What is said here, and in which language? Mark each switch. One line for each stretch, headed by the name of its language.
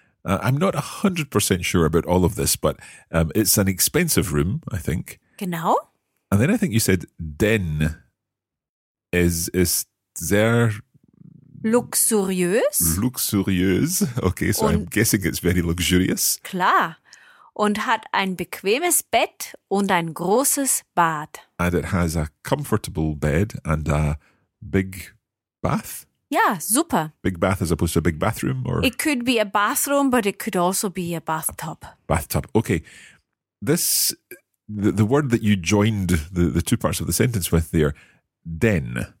English: I'm not 100% sure about all of this, but it's an expensive room, I think.
German: Genau.
English: And then I think you said den. Is there...
German: Luxuriös. Luxuriös.
English: Okay, so I'm guessing it's very luxurious.
German: Klar. Und hat ein bequemes Bett und ein großes Bad.
English: And it has a comfortable bed and a big bath.
German: Ja, super.
English: Big bath as opposed to a big bathroom? Or? It could be a bathroom, but it could also be a bathtub. Bathtub. Okay. The word that you joined the two parts of the sentence with there, den.